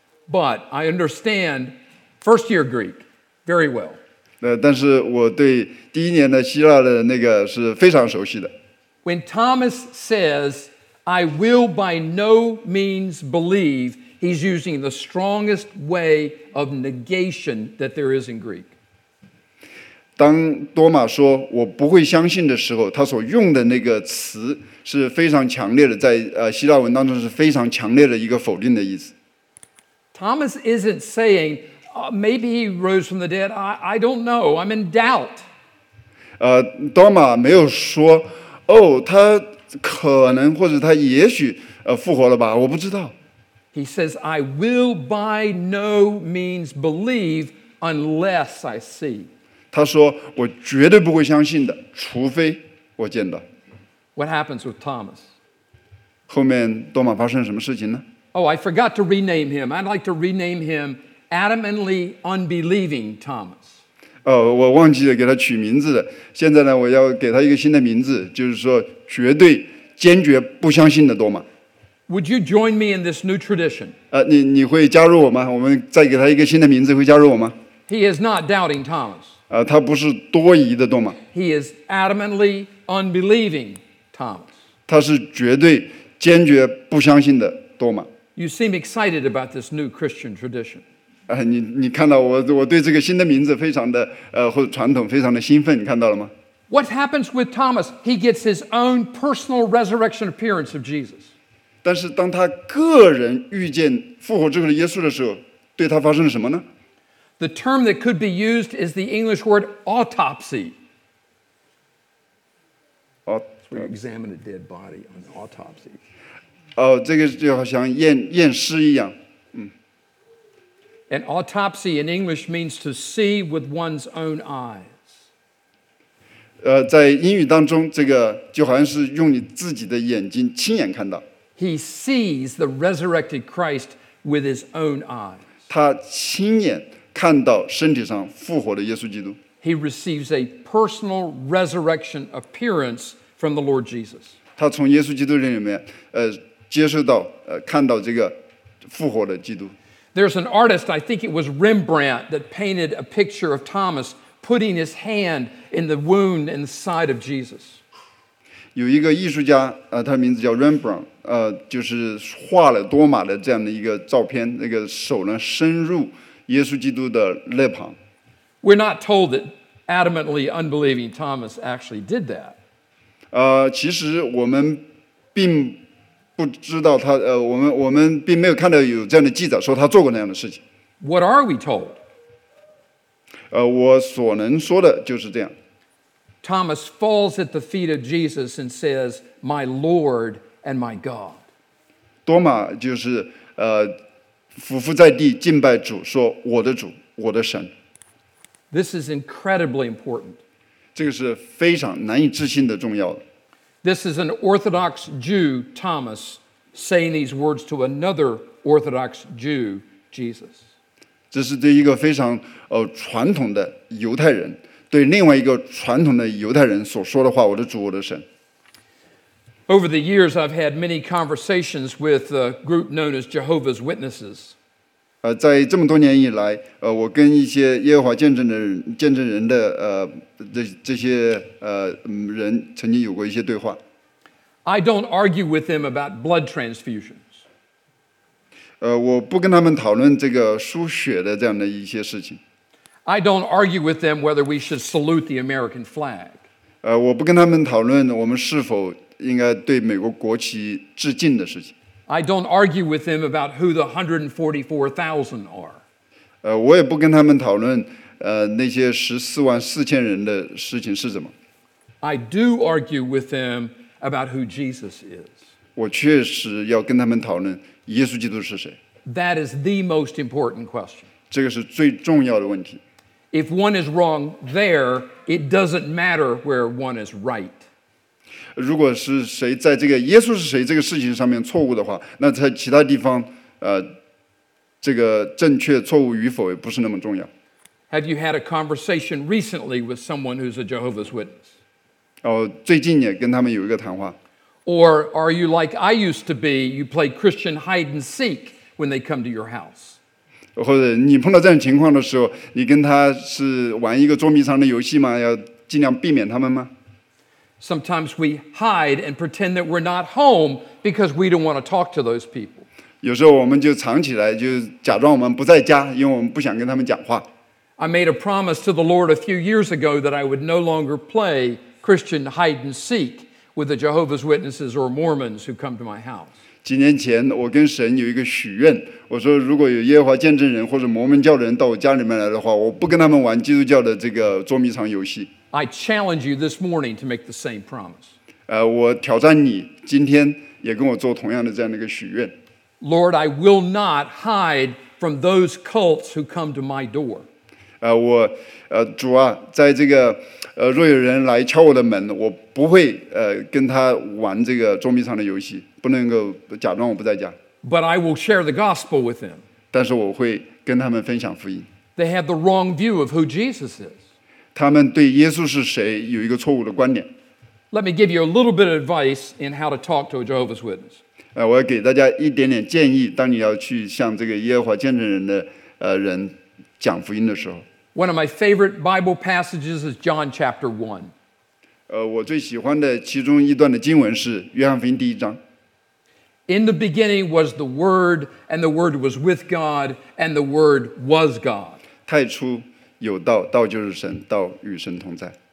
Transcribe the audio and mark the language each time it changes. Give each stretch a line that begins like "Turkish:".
English: But I understand first year Greek very well.
Chinese: 但是我对第一年的希腊的那个是非常熟悉的。
English: When Thomas says, I will by no means believe, he's using the strongest way of negation that there is in Greek.
Chinese: 当多马说我不会相信的时候，他所用的那个词是非常强烈的，在希腊文当中是非常强烈的一个否定的意思。
English: Thomas isn't saying,maybe he rose from the dead. I don't know. I'm in doubt.
Chinese: Doma 没有说，哦，他可能或者他也许复活了吧？我不知道。
English: He says, "I will by no means believe unless I see."
Chinese: 他说，我绝对不会相信的，除非我见到。
English: What happens with Thomas?
Chinese: 后面多马发生什么事情呢？
English: Oh, I forgot to rename him. I'd like to rename him. Adamantly unbelieving Thomas.
Chinese: 我忘记了给他取名字了。现在呢，我要给他一个新的名字，就是说绝对坚决不相信的多马。
English: Would you join me in this new tradition?
Chinese: 你会加入我吗？我们再给他一个新的名字，会加入我吗？
English: He is not doubting Thomas.
Chinese: 他不是多疑的多马。
English: He is adamantly unbelieving Thomas.
Chinese: 他是绝对坚决不相信的多马。
English: You seem excited about this new Christian tradition.
Chinese: 你看到我对这个新的名字非常的或者传统非常的兴奋，你看到了吗？
English: What happens with Thomas? He gets his own personal resurrection appearance of Jesus.
Chinese: 但是当他个人遇见复活之后的耶稣的时候，对他发生了什么呢？
English: The term that could be used is the English word autopsy. That's where you examine a dead body on autopsy.
Chinese: 这个就好像验尸一样。
English: An autopsy in English means to see with one's own eyes.
Chinese: 在英语当中，这个就好像是用你自己的眼睛亲眼看到。
English: He sees the resurrected Christ with his own eyes.
Chinese: 他亲眼看到身体上复活的耶稣基督。
English: He receives a personal resurrection appearance from the Lord Jesus.
Chinese: 他从耶稣基督里面，接受到，看到这个复活的基督。
English: There's an artist, I think it was Rembrandt, that painted a picture of Thomas putting his hand in the wound in the side of Jesus.
Chinese: 有一个艺术家，他的名字叫 Rembrandt， 就是画了多马的这样的一个照片，那个手呢伸入耶稣基督的肋旁。
English: We're not told that adamantly unbelieving Thomas actually did that.
Chinese: 其实我们并不知道他我们并没有看到有这样的记载说他做过那样的事情。
English: What are we told?
Chinese: 我所能说的就是这样。
English: Thomas falls at the feet of Jesus and says, "My Lord and my God."
Chinese: 多马就是俯伏在地敬拜主，说我的主，我的神。
English: This is incredibly important.
Chinese: 这个是非常难以置信的重要的。
English: This is an Orthodox Jew, Thomas, saying these words to another Orthodox Jew, Jesus.
Chinese: 这是对一个非常传统的犹太人，对另外一个传统的犹太人所说的话，我的主，我的神。
English: Over the years, I've had many conversations with a group known as Jehovah's Witnesses.
Chinese: 在这么多年以来，我跟一些耶和华见证人的这些人曾经有过一些对话。
English: I don't argue with them about blood transfusions.
Chinese: 我不跟他们讨论这个输血的这样的一些事情。
English: I don't argue with them whether we should salute the American flag.
Chinese: 我不跟他们讨论我们是否应该对美国国旗致敬的事情。
English: I don't argue with them about who the 144,000 are.
Chinese: 我也不跟他们讨论那些144,000人的事情是怎么。
English: I do argue with them about who Jesus is.
Chinese: 我确实要跟他们讨论耶稣基督是谁。
English: That is the most important question.
Chinese: 这个是最重要的问题。
English: If one is wrong there, it doesn't matter where one is right.
Chinese: 如果是谁在这个耶稣是谁这个事情上面错误的话，那在其他地方，这个正确错误与否也不是那么重要。
English: Have you had a conversation recently with someone who's a Jehovah's Witness?
Chinese: 哦，最近也跟他们有一个谈话。
English: Or are you like I used to be? You play Christian hide and seek when they come to your house.
Chinese: 或者你碰到这种情况的时候，你跟他是玩一个捉迷藏的游戏吗？要尽量避免他们吗
English: ？Sometimes we hide and pretend that we're not home because we don't want to talk to those people.
Chinese: 有时候我们就藏起来，就假装我们不在家，因为我们不想跟他们讲话。
English: I made a promise to the Lord a few years ago that I would no longer play Christian hide and seek with the Jehovah's Witnesses or Mormons who come to my house.
Chinese: 几年前我跟神有一个许愿我说如果有耶和华见证人或者摩门教的人到我家里面来的话我不跟他们玩基督教的这个捉迷藏游戏
English: I challenge you this morning to make the same promise
Chinese: 我挑战你今天也跟我做同样的这样的一个许愿
English: Lord I will not hide from those cults who come to my door
Chinese: 主啊在这个若有人来敲我的门我不会跟他玩这个捉迷藏的游戏不能够假装我不在家。
English: But I will share the gospel with them.
Chinese: 但是我会跟他们分享福音。
English: They have the wrong view of who Jesus is.
Chinese: 他们对耶稣是谁有一个错误的观点。
English: Let me give you a little bit of advice in how to talk to a Jehovah's Witness.
Chinese: 我要给大家一点点建议当你要去向这个耶和华见证人的人讲福音的时候。
English: One of my favorite Bible passages is John chapter 1.
Chinese: 我最喜欢的其中一段的经文是约翰福音第一章。
English: In the beginning was the Word, and the Word was with God, and the Word was God.
Chinese: 太初有道，道就是神，道与神同在。